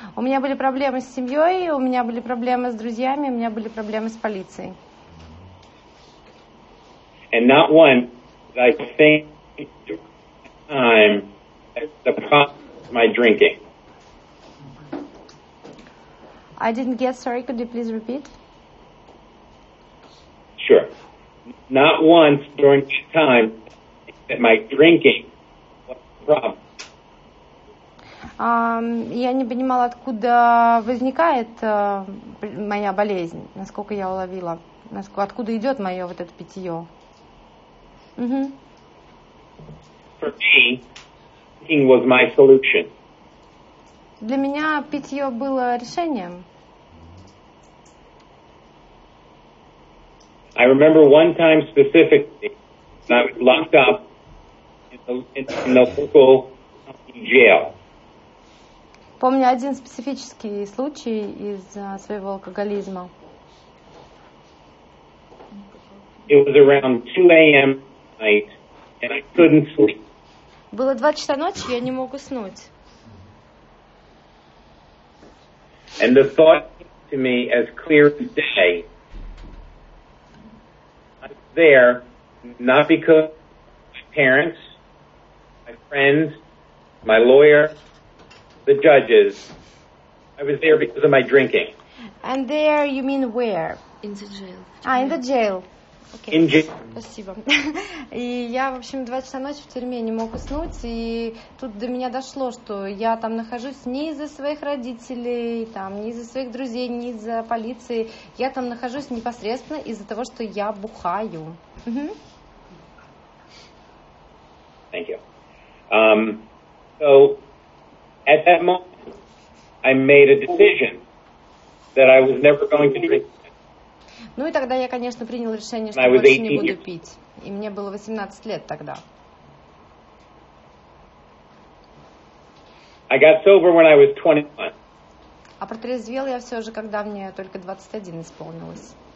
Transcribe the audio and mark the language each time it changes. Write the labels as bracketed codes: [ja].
[ru] У меня были проблемы с семьей, у меня были проблемы с друзьями, у меня были проблемы с полицией. [en] And not one, but I think time the problem is my drinking. I didn't get. Sorry, could you please repeat? Sure. Not once during that time that my drinking was the problem. [ru] Я не понимала, откуда возникает моя болезнь, насколько я уловила, откуда идет мое вот это питье. [en] For me, drinking was my solution. [ru] Для меня питье было решением. [en] I remember one time specifically, I was locked up in the local jail. [ru] Помню один специфический случай из своего алкоголизма. [en] It was around 2 a.m. night, and I couldn't sleep. [ru] Было 2 часа ночи, я не мог уснуть. [en] And the thought came to me as clear as day. There, not because my parents, my friends, my lawyer, the judges. I was there because of my drinking. And there, you mean where? In the jail. Ah, in the jail. Okay. In jail. [ru] Спасибо. И я, в общем, 2 часа ночи в тюрьме не мог уснуть, и тут до меня дошло, что я там нахожусь не из-за своих родителей, там, не из-за своих друзей, не из-за полиции. Я там нахожусь непосредственно из-за того, что я бухаю. [en] Thank you. So at that moment I made a decision that I was never going to drink. [ru] Ну и тогда я, конечно, принял решение, что больше не буду пить. И мне было 18 лет тогда. [en] I got sober when I was 21. [ru] А протрезвел я все же, когда мне только 21 исполнилось.